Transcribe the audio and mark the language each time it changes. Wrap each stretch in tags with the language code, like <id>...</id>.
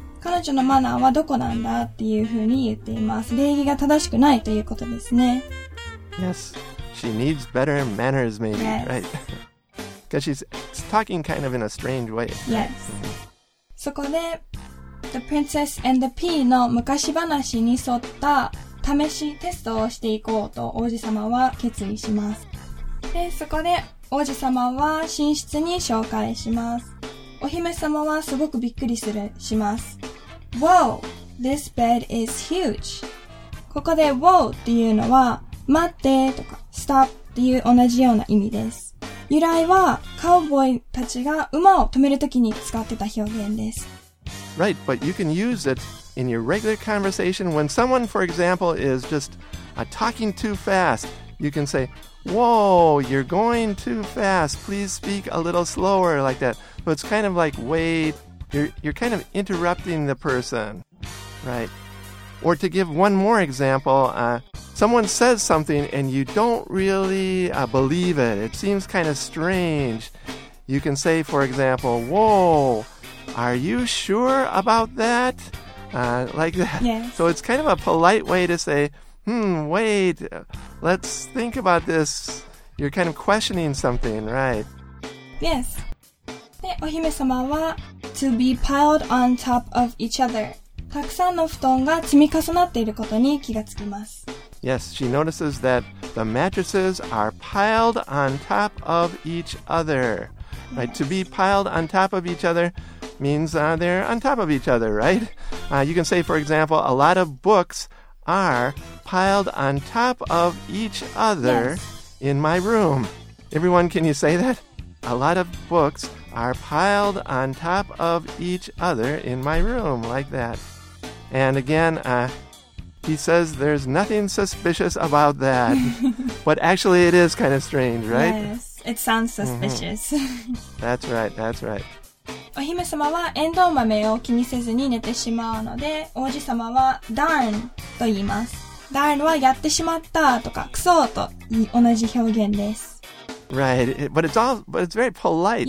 <ja>彼女のマナーはどこなんだっていうふうに言っています。礼儀が正しくないということですね。</ja> <en>Yes. she needs better manners, maybe, yes. right? Because she's talking kind of in a strange way.</en> <ja>Yes. そこで、The Princess and the Pea の昔話に沿った試しテストをしていこうと王子様は決意します。で、そこで王子様は寝室に紹介します。お姫様はすごくびっくりするします。</ja> <en>Wow, this bed is huge.</en> <ja>ここで Wow っていうのは待ってとか Stop っていう同じような意味です。由来はカウボーイたちが馬を止めるときに使ってた表現です。</ja> <en>Right, but you can use it in your regular conversation when someone, for example, is just talking too fast. You can say, Whoa, you're going too fast. Please speak a little slower like that. So it's kind of like, wait, you're kind of interrupting the person, right? Or to give one more example, someone says something and you don't really believe it. It seems kind of strange. You can say, for example, Whoa, are you sure about that? Like that. Yes. So it's kind of a polite way to say, wait, let's think about this. You're kind of questioning something, right? Yes.</en> <ja>で、お姫様は、</ja> <en>to be piled on top of each other.</en> <ja>たくさんの布団が積み重なっていることに気がつきます。</ja> <en>Yes, she notices that the mattresses are piled on top of each other. Yes. Right, to be piled on top of each other means they're on top of each other, right? You can say, for example, a lot of books are piled on top of each other yes. in my room. Everyone, can you say that? A lot of books are piled on top of each other in my room, like that. And again, he says there's nothing suspicious about that. But actually, it is kind of strange, right? Yes, it sounds suspicious. Mm-hmm. That's right, that's right.</en> <ja>お姫様はエンドウ豆を気にせずに寝てしまうので王子様はダーンと言いますダーンはやってしまったとかクソと同じ表現です</ja> <en>Right, but it's very polite,</en>